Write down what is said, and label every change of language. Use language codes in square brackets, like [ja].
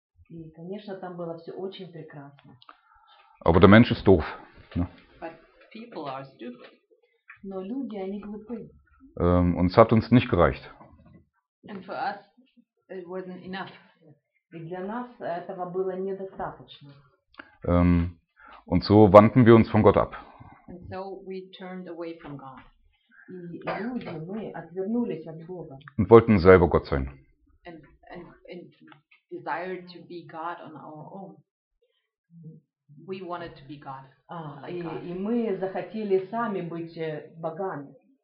[ru] И, конечно, там было все очень прекрасно. [de] Aber der Mensch ist doof. Ne? [en] But people are stupid. [ru] Но люди, они глупы. [de] Und es hat uns nicht gereicht. [en] And for us, it wasn't enough. [ru] И для нас этого было недостаточно. [de] Und so wandten wir uns von Gott ab. [en] And so we turned away from God. [ru] И люди, мы отвернулись от Бога. [de] Und wollten selber Gott sein. [en] And desired to be God on our own. We wanted to be God. [ru] И мы захотели сами быть богами.